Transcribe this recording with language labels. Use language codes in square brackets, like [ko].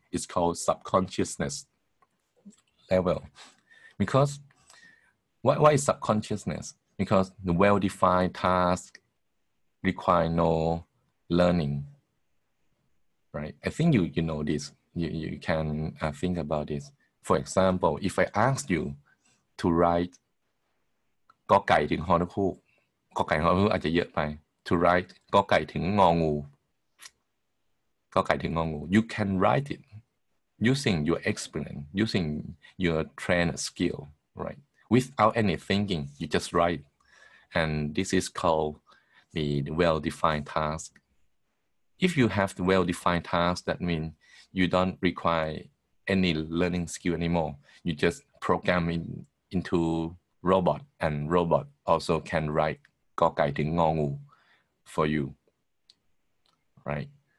[en] It's called subconsciousness level. Because why is subconsciousness? Because the well-defined task require no learning, right? I think you know this. You can think about this. For example, if I ask you to write [th] ก็ไก่ถึงฮอนกฮูก ก็ไก่ฮอนกฮูกอาจจะเยอะไป [en] to write [th] ก็ไก่ถึงงองู ก็ไก่ถึงงองู [en] you can write it using your experience, using your trained skill, right? Without any thinking, you just write. And this is called the well-defined task. If you have the well-defined task, that means you don't require any learning skill anymore. You just program it into robot, and robot also can write [th] ก็ไก่ถึงงองู [en] for you, right?